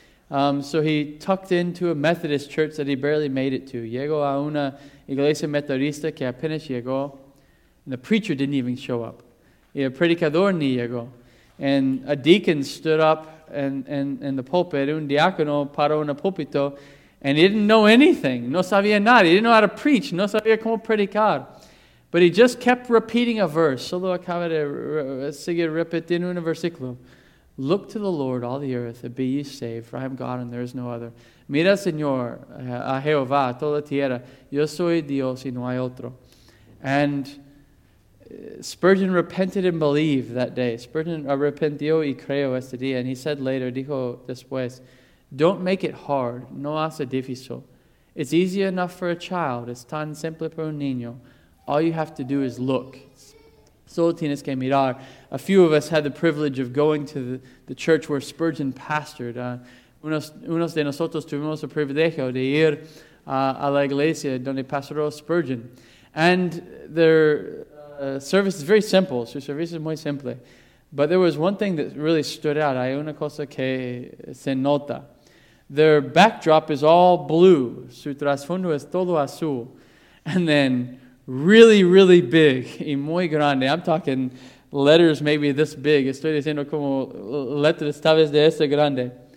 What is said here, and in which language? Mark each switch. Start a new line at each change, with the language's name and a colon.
English: So he tucked into a Methodist church that he barely made it to.
Spanish: Llegó a una iglesia metodista que apenas llegó.
English: And the preacher didn't even show up.
Spanish: Y el predicador ni llegó.
English: And a deacon stood up in the pulpit.
Spanish: Un diácono paró en el púlpito.
English: And he didn't know anything.
Spanish: No sabía nada.
English: He didn't know how to preach.
Spanish: No sabía cómo predicar.
English: But he just kept repeating a verse.
Spanish: Solo acaba de seguir repitiendo un versículo.
English: Look to the Lord, all the earth, and be ye saved, for I am God and there is no other.
Spanish: Mira, Señor, a Jehová, toda la tierra. Yo soy Dios y no hay otro.
English: And Spurgeon repented and believed that day.
Spanish: Spurgeon arrepentió y creyó este día.
English: And he said later,
Spanish: dijo después,
English: don't make it hard,
Spanish: no hace difícil.
English: It's easy enough for a child,
Spanish: es tan simple para un niño.
English: All you have to do is look.
Spanish: Solo tienes que mirar.
English: A few of us had the privilege of going to the church where Spurgeon pastored.
Spanish: Unos de nosotros tuvimos el privilegio de ir a la iglesia donde pastoró Spurgeon.
English: And their service is very simple.
Spanish: Su servicio es muy simple.
English: But there was one thing that really stood out.
Spanish: Hay una cosa que se nota.
English: Their backdrop is all blue.
Spanish: Su trasfondo es todo azul.
English: And then really, really big,
Spanish: y muy grande.
English: I'm talking letters maybe this big.
Spanish: Estoy diciendo como letras tal vez de este grande.